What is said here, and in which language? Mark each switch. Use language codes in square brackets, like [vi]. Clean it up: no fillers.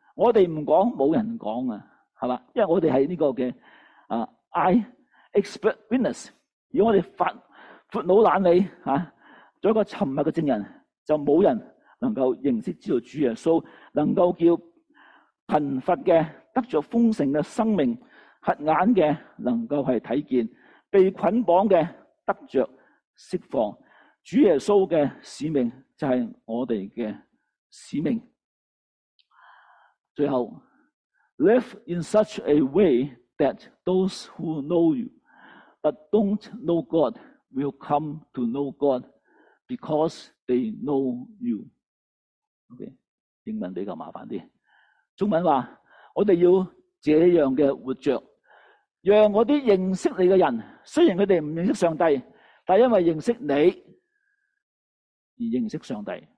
[zh] 我们不讲没人讲，是吧？因为我们是这个的expert witness， 如果我们阔脑懒理做一个沉默的证人，就没人能够认识知道主耶稣，能够叫贫乏的得着丰盛的生命，瞎眼的能够是看见，被捆绑的得着释放。主耶稣的使命就是我们的使命。 [en] 最后 Live in such a way that those who know you but don't know God will come to know God because they know you。 [zh] Okay， 英文比较麻烦点，中文说我们要这样的活着，让那些认识你的人，虽然他们不认识上帝，但是因为认识你而认识上帝。